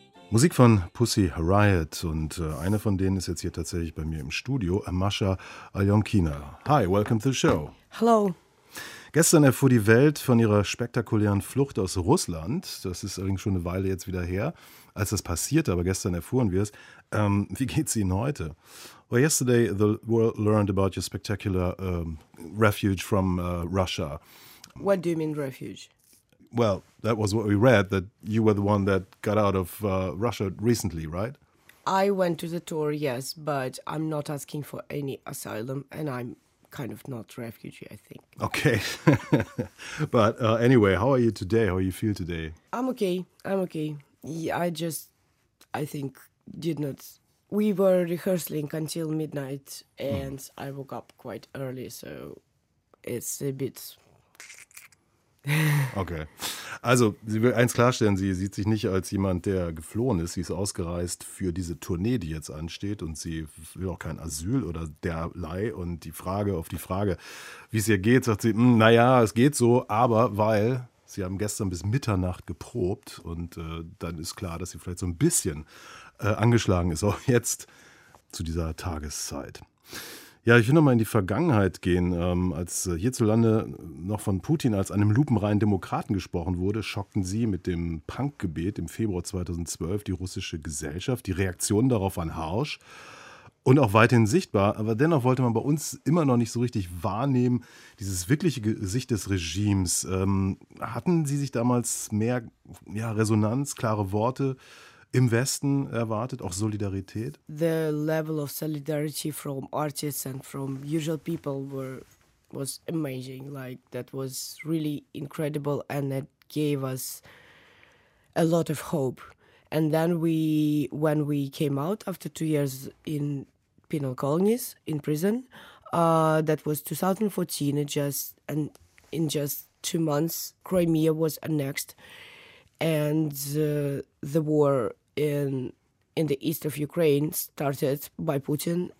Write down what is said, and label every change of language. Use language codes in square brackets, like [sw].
[de] Musik von Pussy Riot und eine von denen ist jetzt hier tatsächlich bei mir im Studio, Masha Aljonkina. [en] Hi, welcome to the show. Hello. [de] Gestern erfuhr die Welt von ihrer spektakulären Flucht aus Russland. Das ist allerdings schon eine Weile jetzt wieder her, als das passierte, aber gestern erfuhren wir es. Wie geht's Ihnen heute? [en] Well, yesterday the world learned about your spectacular refuge from Russia. What do you mean refuge? Well, that was what we read, that you were the one that got out of Russia recently, right? I went to the tour, yes, but I'm not asking for any asylum, and I'm kind of not refugee, I think. Okay. But anyway, how are you today? How you feel today? I'm okay. Yeah, we were rehearsing until midnight, and I woke up quite early, so it's a bit... Okay. [de] Also, sie will eins klarstellen, sie sieht sich nicht als jemand, der geflohen ist. Sie ist ausgereist für diese Tournee, die jetzt ansteht. Und sie will auch kein Asyl oder derlei. Und die Frage auf die Frage, wie es ihr geht, sagt sie, naja, es geht so. Aber weil sie haben gestern bis Mitternacht geprobt. Und dann ist klar, dass sie vielleicht so ein bisschen angeschlagen ist, auch jetzt zu dieser Tageszeit. Ja, ich will nochmal in die Vergangenheit gehen. Als hierzulande noch von Putin als einem lupenreinen Demokraten gesprochen wurde, schockten Sie mit dem Punk-Gebet im Februar 2012 die russische Gesellschaft. Die Reaktionen darauf waren harsch und auch weiterhin sichtbar. Aber dennoch wollte man bei uns immer noch nicht so richtig wahrnehmen, dieses wirkliche Gesicht des Regimes. Hatten Sie sich damals mehr Resonanz, klare Worte im Westen erwartet, auch Solidarität? [en] The level of solidarity from artists and from usual people was amazing. Like, that was really incredible and it gave us a lot of hope. And then when we came out after 2 years in penal colonies, in prison, that was 2014, in just 2 months, Crimea was annexed and the war in the east of Ukraine started by Putin.